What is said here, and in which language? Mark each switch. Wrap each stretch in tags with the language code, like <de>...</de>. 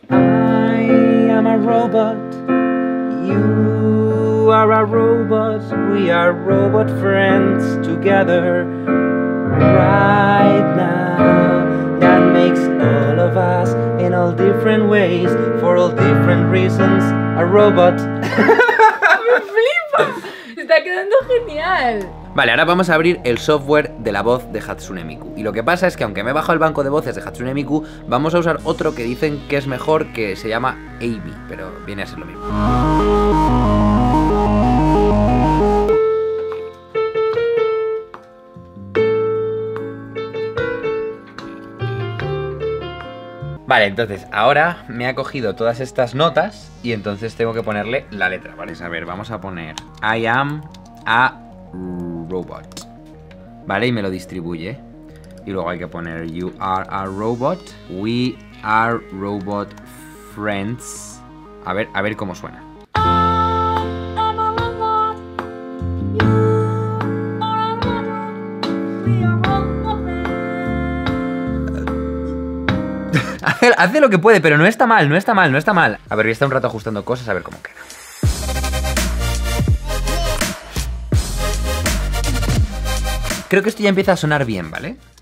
<en>I'm a robot, you are a robot, we are robot friends together right now. That makes all of us in all different ways, for all different reasons, a robot.</en> <es>¡Me flipo! ¡Está quedando genial! Vale, ahora vamos a abrir el software de la voz de Hatsune Miku. Y lo que pasa es que aunque me he bajado el banco de voces de Hatsune Miku, vamos a usar otro que dicen que es mejor, que se llama Amy, pero viene a ser lo mismo. Vale, entonces, ahora me ha cogido todas estas notas y entonces tengo que ponerle la letra, ¿vale? A ver, vamos a poner</es> <en>I am a robot,</en> <es>¿vale? Y me lo distribuye. Y luego hay que poner</es> <en>you are a robot, we are robot friends.</en> <es>A ver cómo suena.</es> <en>I am a robot. You are a robot. We are robot friends.</en> <es>Hace lo que puede, pero no está mal, no está mal, no está mal. A ver, voy a estar un rato ajustando cosas a ver cómo queda. Creo que esto ya empieza a sonar bien, ¿vale?</es>